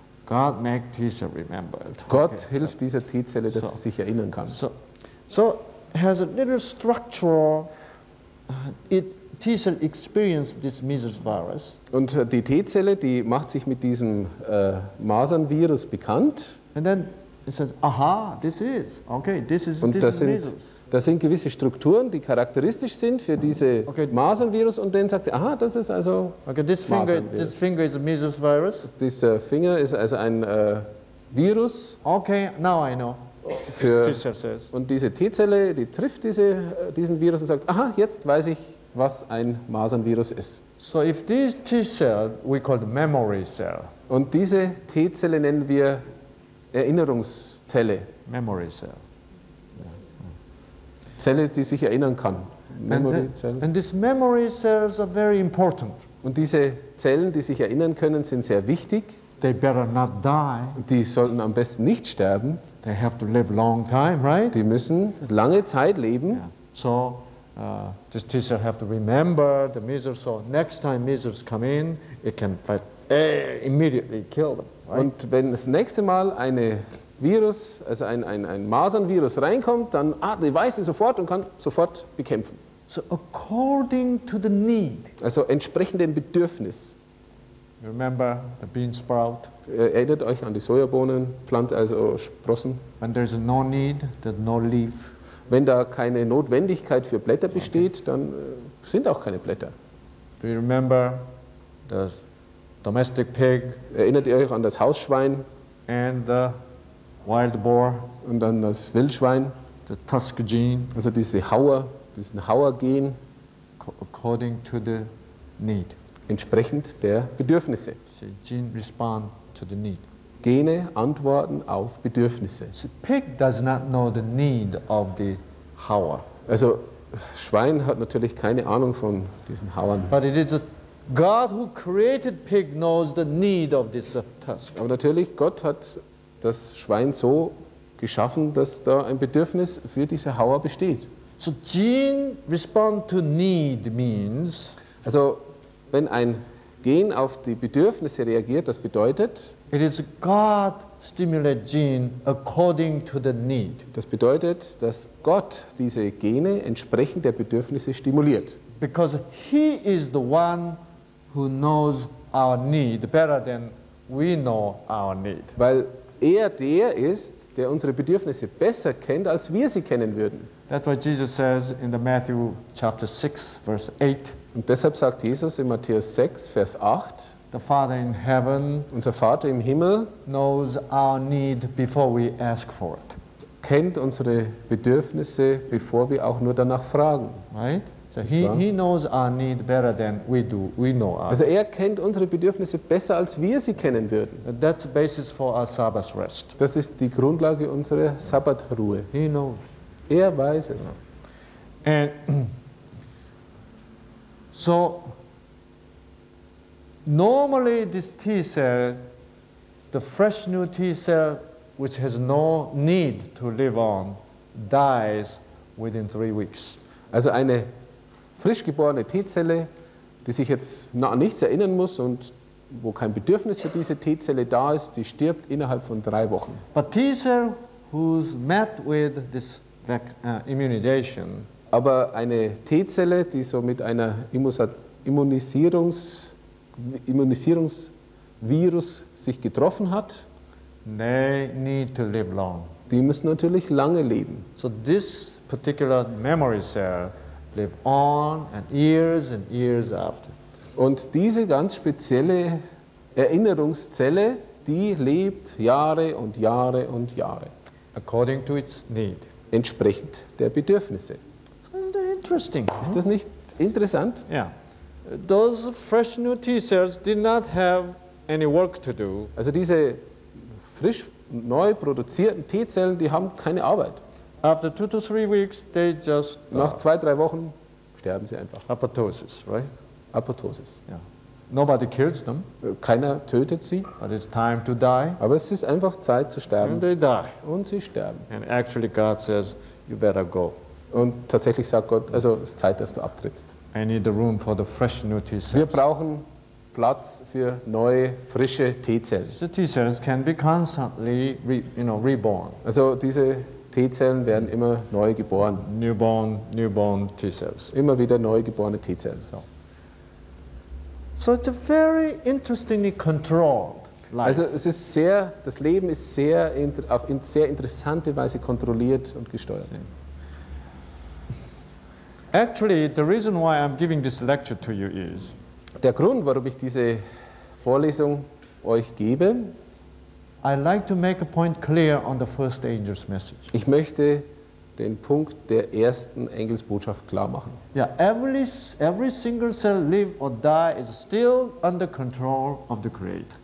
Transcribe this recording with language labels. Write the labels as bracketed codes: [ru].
[en] God make T-Cell remembered. [de] Gott hilft dieser T-Zelle, dass sie sich erinnern kann. [en] So has a little structural T-Cell experience this measles virus. [de] Und die T-Zelle, die macht sich mit diesem Masernvirus bekannt. [en] And then it says, aha, this is, okay, this is [de] und [en] this measles. [de] Das sind gewisse Strukturen, die charakteristisch sind für diese Masernvirus. Und dann sagt sie, aha, das ist also [en] okay, this finger, [de] Masernvirus. [en] This finger is a measles virus. [de] Dieser Finger ist also ein Virus. [en] Okay, now I know. Für, says. [de] Und diese T-Zelle, die trifft diesen Virus und sagt, aha, jetzt weiß ich, was ein Masernvirus ist. [en] So if this T-Cell, we call the memory cell. [de] Und diese T-Zelle nennen wir Erinnerungszelle. [en] Memory cell. [de] Zelle, die sich erinnern kann. [en] And this memory cells are very important. [de] Und diese Zellen, die sich erinnern können, sind sehr wichtig. [en] They better not die. [de] Die sollten am besten nicht sterben. [en] They have to live long time, right? [de] Die müssen lange Zeit leben. [en] Yeah. So, this T-cell have to remember the measles. So next time measles come in, it can fight, immediately kill them. Right? [de] Und wenn das nächste Mal eine Virus, also ein Masernvirus reinkommt, dann die weiß sie sofort und kann sofort bekämpfen. [en] So according to the need. [de] Also entsprechend dem Bedürfnis. [en] You remember the bean sprout? [de] Erinnert euch an die Sojabohnen, Pflanze, also Sprossen. [en] When there's no need, there's no leaf. [de] Wenn da keine Notwendigkeit für Blätter besteht, okay, dann sind auch keine Blätter. [en] Do you remember the domestic pig? [de] Erinnert ihr euch an das Hausschwein? [en] And the wild boar? [de] Und dann das Wildschwein? [en] The tusk gene? [de] Also diese Hauer, diesen Hauergen? [en] According to the need. [de] Entsprechend der Bedürfnisse. [en] The gene respond to the need. [de] Gene antworten auf Bedürfnisse. [en] The pig does not know the need of the hauer. [de] Also Schwein hat natürlich keine Ahnung von diesen Hauern. [en] But it is a God who created pig knows the need of this tusk. [de] Aber natürlich Gott hat das Schwein so geschaffen, dass da ein Bedürfnis für diese Hauer besteht. [en] So gene respond to need means. [de] Also wenn ein Gen auf die Bedürfnisse reagiert, das bedeutet, [en] it is God stimulate gene according to the need. [de] Das bedeutet, dass Gott diese Gene entsprechend der Bedürfnisse stimuliert. [en] Because he is the one who knows our need better than we know our need. [de] Weil er der ist, der unsere Bedürfnisse besser kennt, als wir sie kennen würden. [en] That's what Jesus says in the Matthew chapter 6 verse 8. [de] Und deshalb sagt Jesus in Matthäus 6, Vers 8, [en] the Father in heaven, [de] unser Vater im Himmel, [en] knows our need before we ask for it. [de] Kennt unsere Bedürfnisse, bevor wir auch nur danach fragen. [en] Right? So he knows our need better than we do. We know our. [de] Also er kennt unsere Bedürfnisse besser, als wir sie kennen würden. [en] That's the basis for our Sabbath rest. [de] Das ist die Grundlage unserer Sabbatruhe. [en] He knows. [de] Er weiß es. [en] And so normally this T cell, the fresh new T cell, which has no need to live on, dies within 3 weeks. [de] Also eine frisch geborene T-Zelle, die sich jetzt an nichts erinnern muss und wo kein Bedürfnis für diese T-Zelle da ist, die stirbt innerhalb von 3 Wochen. [en] But T-Cell who's met with this immunization. [de] Aber eine T-Zelle, die so mit einer Immunisierungsvirus sich getroffen hat, [en] they need to live long. [de] Die müssen natürlich lange leben. [en] So this particular memory cell live on and years after. [de] Und diese ganz spezielle Erinnerungszelle, die lebt Jahre und Jahre und Jahre. [en] According to its need. [de] Entsprechend der Bedürfnisse. [en] Isn't that interesting? [de] Ist das nicht interessant? [en] Yeah. Those fresh new T-cells did not have any work to do. [de] Also diese frisch neu produzierten T-Zellen, die haben keine Arbeit. [en] After 2 to 3 weeks, they just [de] nach 2-3 Wochen sterben sie einfach. [en] Apoptosis, right? [de] Apoptosis. [en] Yeah. Nobody kills them. [de] Keiner tötet sie. [en] But it's time to die. [de] Aber es ist einfach Zeit zu sterben. [en] And they die. [de] Und sie sterben. [en] And actually, God says, you better go. [de] Und tatsächlich sagt Gott, also es ist Zeit, dass du abtrittst. [en] I need the room for the fresh new T-cells. [de] Wir brauchen Platz für neue, frische T-Zellen. [en] The T-cells can be constantly, reborn. [de] Also diese T-Zellen werden immer neu geboren. [en] Newborn T-cells. [de] Immer wieder neu geborene T-Zellen. [en] So it's a very interestingly controlled life. [de] Also es ist sehr, das Leben ist sehr auf in sehr interessante Weise kontrolliert und gesteuert. [en] Actually, the reason why I'm giving this lecture to you is [de] der Grund, warum ich diese Vorlesung euch gebe, [en] I like to make a point clear on the first angel's message. [de] Ich möchte den Punkt der ersten Engelsbotschaft klar machen. [en] Yeah, every single cell live or die is still under control of the Creator.